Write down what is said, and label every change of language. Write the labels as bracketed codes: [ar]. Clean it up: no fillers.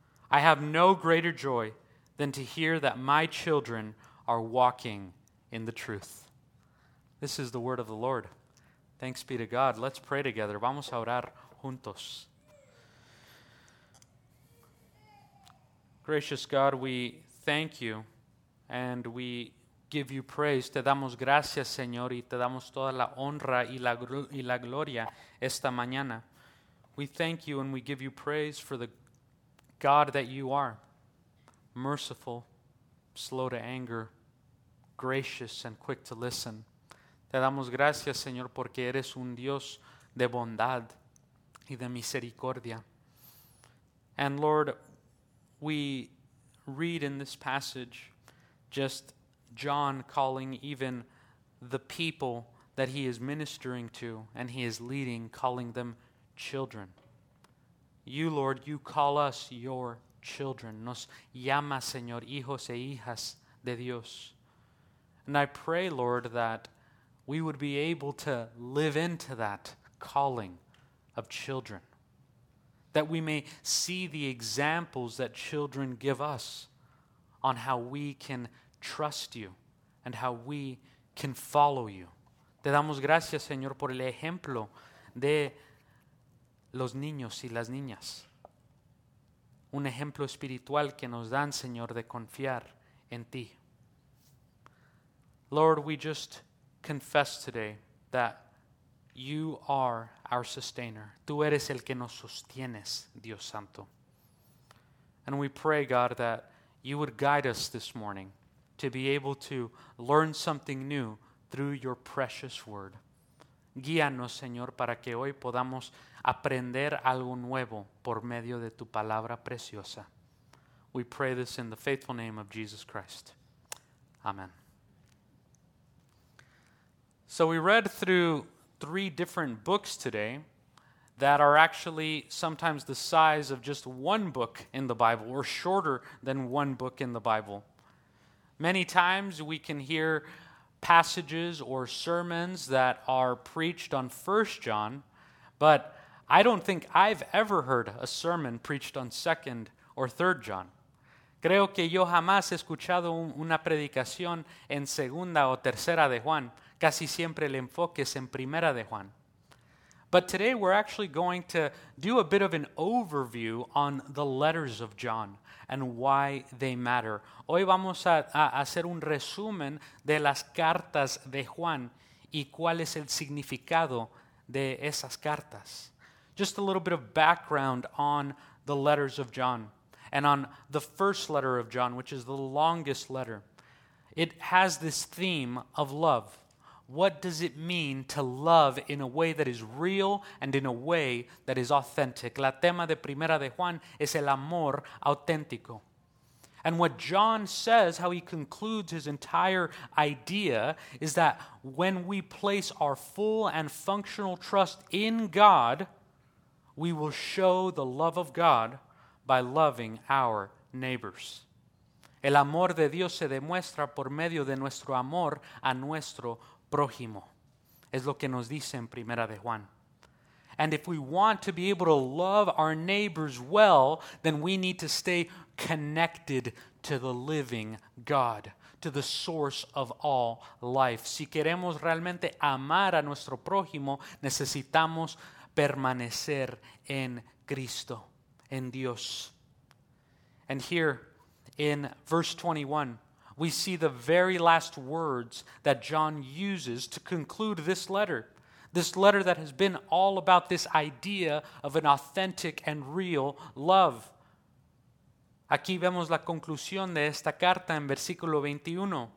[en] I have no greater joy than to hear that my children are walking in the truth. This is the word of the Lord. Thanks be to God. Let's pray together. [es] Vamos a orar juntos. [en] Gracious God, we thank you and we give you praise. [es] Te damos gracias, Señor, y te damos toda la honra y la gloria esta mañana. [en] We thank you and we give you praise for the God that you are. Merciful, slow to anger, gracious and quick to listen. [es] Te damos gracias, Señor, porque eres un Dios de bondad y de misericordia. [en] And Lord, we read in this passage just John calling even the people that he is ministering to and he is leading, calling them children. You, Lord, you call us your children. [es] Nos llama, Señor, hijos e hijas de Dios. [en] And I pray, Lord, that we would be able to live into that calling of children, that we may see the examples that children give us on how we can trust you and how we can follow you. [es] Te damos gracias, Señor, por el ejemplo de los niños y las niñas. un ejemplo espiritual que nos dan, Señor, de confiar en ti. [en] Lord, we just confess today that you are our sustainer. [es] Tú eres el que nos sostienes, Dios Santo. [en] And we pray, God, that you would guide us this morning to be able to learn something new through your precious word. [es] Guíanos, Señor, para que hoy podamos aprender algo nuevo por medio de tu palabra preciosa. [en] We pray this in the faithful name of Jesus Christ. Amen. So we read through three different books today that are actually sometimes the size of just one book in the Bible or shorter than one book in the Bible. Many times we can hear passages or sermons that are preached on 1 John, but I don't think I've ever heard a sermon preached on 2 or 3 John. [es] Creo que yo jamás he escuchado una predicación en 2 o 3 de Juan. Casi siempre el enfoque es en 1 de Juan. [en] But today we're actually going to do a bit of an overview on the letters of John and why they matter. [es] Hoy vamos a hacer un resumen de las cartas de Juan y cuál es el significado de esas cartas. [en] Just a little bit of background on the letters of John and on the first letter of John, which is the longest letter. It has this theme of love. What does it mean to love in a way that is real and in a way that is authentic? [es] La tema de Primera de Juan es el amor auténtico. [en] And what John says, how he concludes his entire idea, is that when we place our full and functional trust in God, we will show the love of God by loving our neighbors. [es] El amor de Dios se demuestra por medio de nuestro amor a nuestro prójimo, es lo que nos dice en Primera de Juan. [en] And if we want to be able to love our neighbors well, then we need to stay connected to the living God, to the source of all life. [es] Si queremos realmente amar a nuestro prójimo, necesitamos permanecer en Cristo, en Dios. [en] And here in verse 21, we see the very last words that John uses to conclude this letter that has been all about this idea of an authentic and real love. [es] Aquí vemos la conclusión de esta carta en versículo 21.